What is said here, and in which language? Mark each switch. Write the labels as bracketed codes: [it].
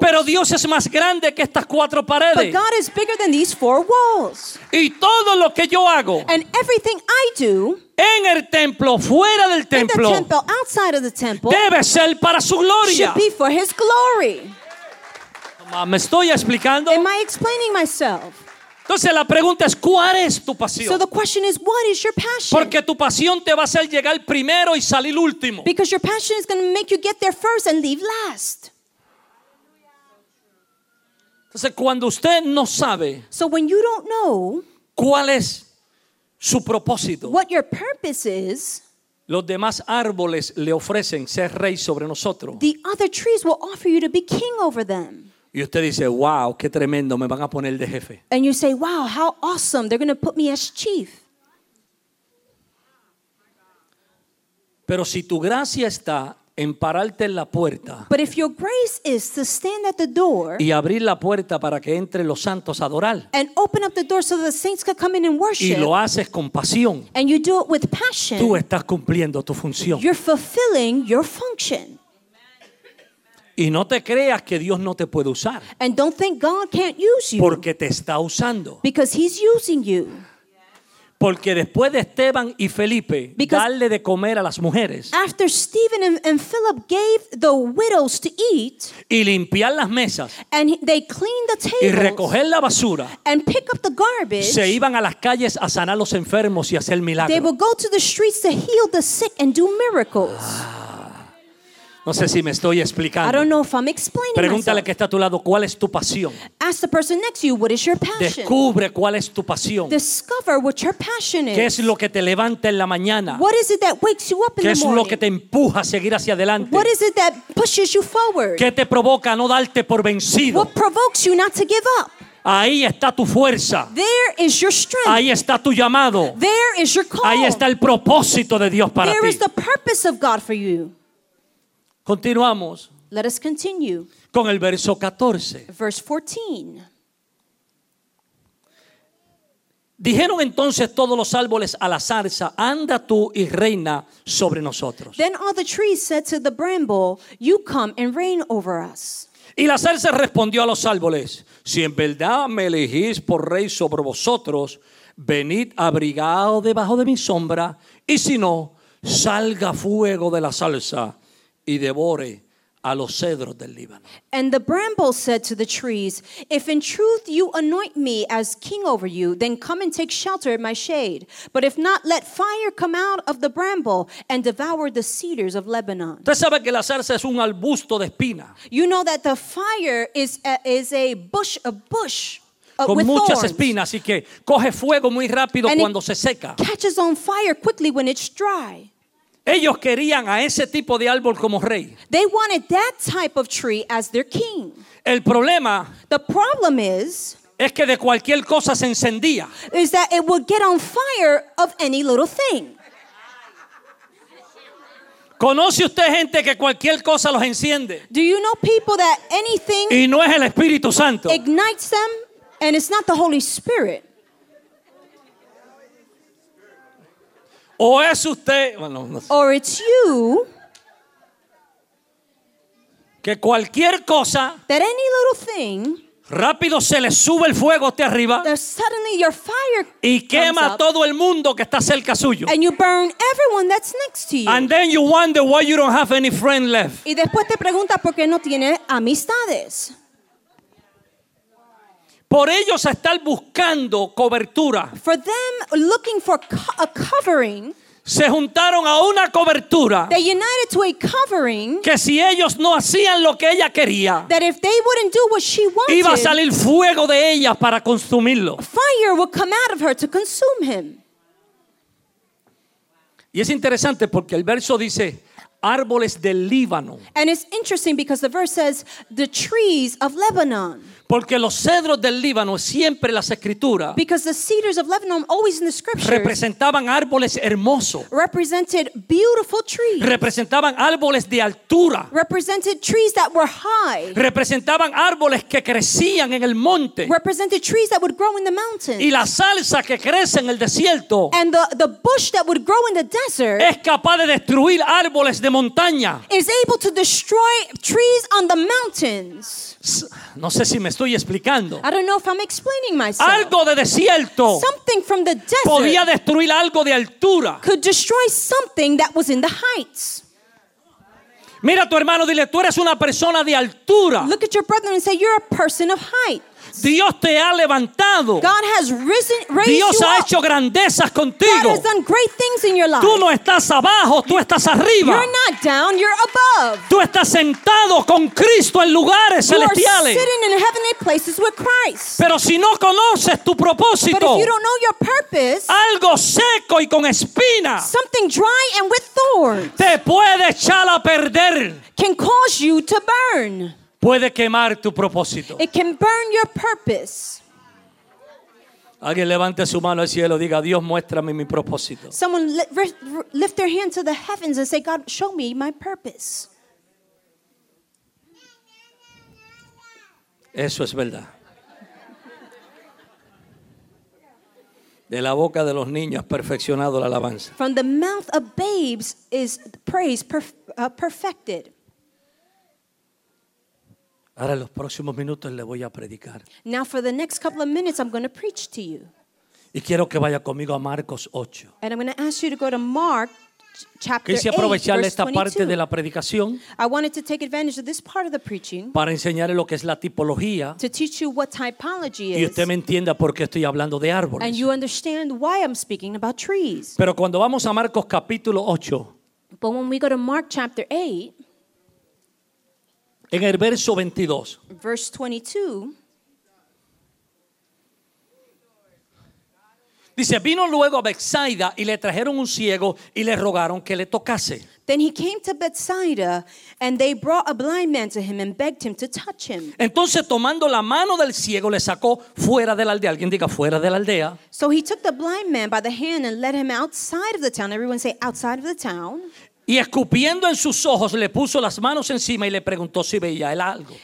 [es] Pero Dios es más grande que estas cuatro paredes. [en] But God is bigger than these four walls. [es] Y todo lo que yo hago. [en] And everything I do. [es] En el templo, fuera del templo, [en] in the temple, outside of the temple, [es] debe ser para su gloria. [en] Should be for his glory. [es] ¿Me estoy explicando? [en] Am I explaining myself? [es] Entonces la pregunta es, ¿cuál es tu pasión? [en] So the question is, what is your passion? [es] Porque tu pasión te va a hacer llegar primero y salir último. [en] Because your passion is going to make you get there first and leave last. [es] Entonces cuando usted no sabe, [en] so when you don't know, [es] ¿cuál es su propósito? [en] What your purpose is, [es] los demás árboles le ofrecen ser rey sobre nosotros. [en] The other trees will offer you to be king over them. [es] Y usted dice, wow, qué tremendo, me van a poner de jefe. [en] And you say, wow, how awesome, they're going to put me as chief. [es] Pero si tu gracia está en pararte en la puerta, [en] but if your grace is to stand at the door, [es] y abrir la puerta para que entre los santos a adorar, [en] and open up the door so the saints can come in and worship, [es] y lo haces con pasión, [en] and you do it with passion, [es] tú estás cumpliendo tu función. [en] You're fulfilling your function. [es] Y no te creas que Dios no te puede usar. [en] And don't think God can't use you. [es] Porque te está usando. [en] Because he's using you. [es] Porque después de Esteban y Felipe darle de comer a las mujeres, [en] after Stephen and Philip gave the widows to eat, [es] y limpiar las mesas, [en] and they cleaned the tables, [es] y recoger la basura, [en] and pick up the garbage, [es] se iban a las calles a sanar los enfermos y hacer milagros. [en] They would go to the streets to heal the sick and do miracles. [es] No sé si me estoy explicando. [en] I don't know if I'm explaining [es] Pregúntale [en] myself. [es] Que está a tu lado, ¿cuál es tu pasión? [en] Ask the person next to you, what is your passion? [es] Descubre cuál es tu pasión. [en] Discover what your passion is. [es] ¿Qué es lo que te levanta en la mañana? [en] What is it that wakes you up in the morning? [es] ¿Qué es lo que te empuja a seguir hacia adelante? [en] What is it that pushes you forward? [es] ¿Qué te provoca a no darte por vencido? [en] What provokes you not to give up? [es] Ahí está tu fuerza. [en] There is your strength. [es] Ahí está tu llamado. [en] There is your call. [es] Ahí está el propósito de Dios para ti. [en] There is the purpose of God for you. [es] Continuamos. [en] Let us continue. [es] Con el verso 14. [en] Verse 14. [es] Dijeron entonces todos los árboles a la zarza, anda tú y reina sobre nosotros. [en] Then all the trees said to the bramble, you come and reign over us. [es] Y la zarza respondió a los árboles, si en verdad me elegís por rey sobre vosotros, venid abrigado debajo de mi sombra, y si no, salga fuego de la zarza y devore a los cedros del Líbano. [en] And the bramble said to the trees, if in truth you anoint me as king over you, then come and take shelter in my shade. But if not, let fire come out of the bramble and devour the cedars of Lebanon. [es] Usted sabe que la zarza es un arbusto de espina. [en] You know that the fire is a bush. [es] Con muchas espinas y que coge fuego muy rápido cuando se seca. [en] Catches on fire quickly when it's dry. [es] Ellos querían a ese tipo de árbol como rey. [en] They wanted that type of tree as their king. [es] El problema, [en] the problem is, [es] es que de cualquier cosa se encendía. [en] Is that it would get on fire of any little thing. [es] ¿Conoce usted gente que cualquier cosa los enciende? [en] Do you know people that anything, [es] y no es el Espíritu Santo, [en] ignites them and it's not the Holy Spirit? [es] O es usted, bueno, no sé. [en] Or it's you, [es] que cualquier cosa, [en] that any little thing, [es] rápido se le sube el fuego hasta arriba, [en] suddenly your fire [es] y quema [en] comes up, [es] todo el mundo que está cerca suyo. [en] And you burn everyone that's next to you. And then you wonder why you don't have any friend left. [es] Y después te preguntas por qué no tiene amistades. Por ellos estar buscando cobertura. [en] For them looking for a covering. [es] Se juntaron a una cobertura. [en] They united to a covering. [es] Que si ellos no hacían lo que ella quería, [en] that if they wouldn't do what she wanted, [es] iba a salir fuego de ella para consumirlo. [en] Fire would come out of her to consume him. [es] Y es interesante porque el verso dice árboles del Líbano. [en] And it's interesting because the verse says the trees of Lebanon. [es] Porque los cedros del Líbano siempre en las escrituras, [en] because the cedars of Lebanon always in the scriptures, [es] representaban árboles hermosos, [en] represented beautiful trees, [es] representaban árboles de altura, [en] represented trees that were high, [es] representaban árboles que crecían en el monte, [en] represented trees that would grow in the mountains, [es] y la zarza que crece en el desierto, [en] and the bush that would grow in the desert, [es] es capaz de destruir árboles de montaña, [en] is able to destroy trees on the mountains. [es] No sé si me estoy explicando. [en] I don't know if I'm explaining myself. [es] Algo de desierto, [en] something from the desert, [es] podía destruir algo de altura, [en] could destroy something that was in the heights. [es] Mira a tu hermano, dile, tú eres una persona de altura. [en] Look at your brother and say, you're a person of height. [es] Dios te ha levantado. [en] God has risen, raised [es] Dios [en] you [es] ha hecho [en] up. [es] Grandezas contigo. [en] God has done great things in your life. [es] Tú no estás abajo, tú estás arriba. [en] You're not down, you're above. [es] Tú estás sentado con Cristo en lugares [en] you [es] celestiales. [en] Are sitting in heavenly places with Christ. [es] Pero si no conoces tu propósito, [en] but if you don't know your purpose, [es] algo seco y con espina, [en] something dry and with thorns, [es] te puede echar a perder. [en] Can cause you to burn. [es] Puede quemar tu propósito. [en] It can burn your purpose. [es] Alguien levante su mano al cielo y diga, Dios, muéstrame mi propósito. [en] Someone lift their hand to the heavens and say, God, show me my purpose. [es] Eso es verdad. De la boca de los niños perfeccionado la alabanza. [en] From the mouth of babes is praise perfected. [es] Ahora en los próximos minutos le voy a predicar. [en] Now for the next couple of minutes I'm going to preach to you. [es] Y quiero que vaya conmigo a Marcos 8. [en] And I'm going to ask you to go to Mark chapter 8. [es] Quise aprovechar [en] 8, [es] esta [en] 22. [es] Parte de la predicación. [en] I wanted to take advantage of this part of the preaching. [es] Para enseñarle lo que es la tipología. [en] To teach you what typology is. [es] Y usted me entienda por qué estoy hablando de árboles. [en] And you understand why I'm speaking about trees. [es] Pero cuando vamos a Marcos capítulo 8. [en] But when we go to Mark chapter 8. [es] En el verso 22. [en] Verse 22. [es] Dice, vino luego a Bethsaida y le trajeron un ciego y le rogaron que le tocase. [en] Then he came to Bethsaida and they brought a blind man to him and begged him to touch him. [es] Entonces tomando la mano del ciego le sacó fuera de la aldea. Alguien diga fuera de la aldea. [en] So he took the blind man by the hand and led him outside of the town. Everyone say outside of the town. [es] Y escupiendo en sus ojos le puso las manos encima y le preguntó si veía él algo.